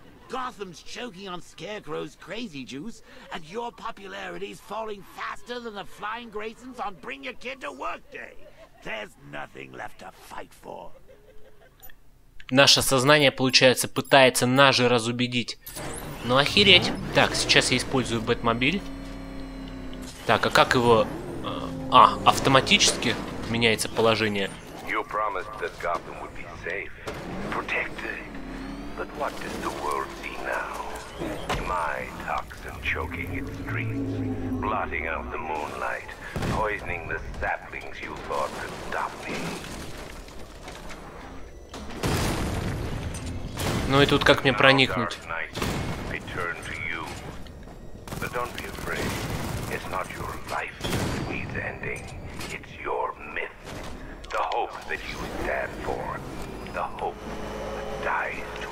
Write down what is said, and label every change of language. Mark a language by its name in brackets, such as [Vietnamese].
[English] Gotham's choking on Scarecrow's crazy juice, and your popularity's falling faster than the Flying Graysons on Bring Your Kid to Work Day. There's nothing left to fight for. [Russian] Наше сознание, получается, пытается нас же разубедить. Ну охереть. Так, сейчас я использую Бэтмобиль. Так, а как его... А, автоматически меняется положение. [English] You promised that Gotham would be safe, protected. But what does the world see now? My toxin choking its streets, blotting out the moonlight, poisoning the saplings you thought could stop me. [Russian] Ну и тут как мне проникнуть? [English] Dark night, I turn to you. But don't be afraid. It's not your life that needs ending. It's your myth. The hope that you stand for. The hope that dies.